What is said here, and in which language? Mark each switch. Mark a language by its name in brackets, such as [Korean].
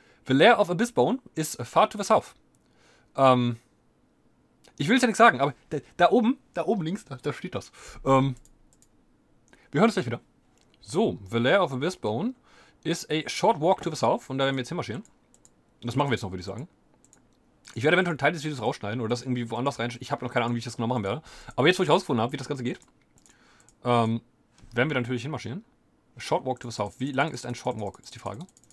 [English] The Lair of Abyssbone is far to the south. [German] Ich will jetzt ja nichts sagen, aber da oben links, da steht das. Wir hören es gleich wieder. [English] So, The Lair of Abyssbone is a short walk to the south. [German] Und da werden wir jetzt hinmarschieren. Das machen wir jetzt noch, würde ich sagen. Ich werde eventuell einen Teil des Videos rausschneiden oder das irgendwie woanders reinschneiden. Ich habe noch keine Ahnung, wie ich das genau machen werde. Aber jetzt, wo ich rausgefunden habe, wie das Ganze geht, werden wir natürlich hinmarschieren. [English] Short walk to the south. [German] Wie lang ist ein Short Walk, ist die Frage.